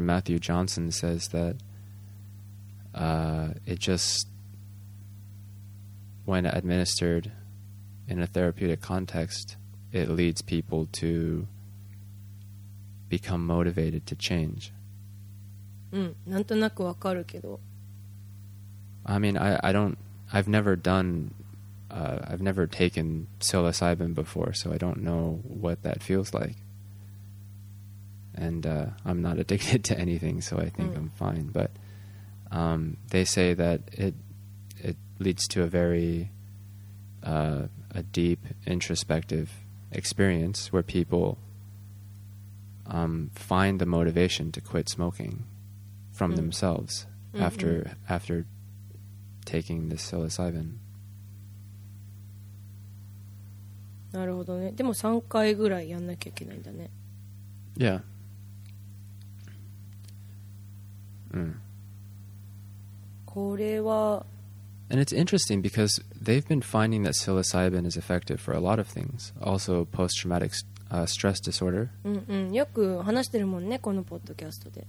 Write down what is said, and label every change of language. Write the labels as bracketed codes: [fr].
[en] Matthew Johnson says that it just when administered in a therapeutic context it leads people toBecome motivated to change. [ja] うん、なんとなくわかるけど。 [en] I mean, I don't. I've never done. I've never taken psilocybin before, so I don't know what that feels like. And I'm not addicted to anything, so I think、うん、I'm fine. But they say that it leads to a very a deep introspective experience where people. Find the motivation to quit smoking from、mm. themselves after、mm-hmm. after taking the psilocybin. [ja] なるほどね。でも3回ぐらいやんなきゃいけないんだね。 [en] Yeah. [ja] うん。これは。 [en] And it's interesting because they've been finding that psilocybin is effective for a lot of things. Also, post-traumatic stress disorder. [ja] うんうん、よく話してるもんね、このポッドキャストで。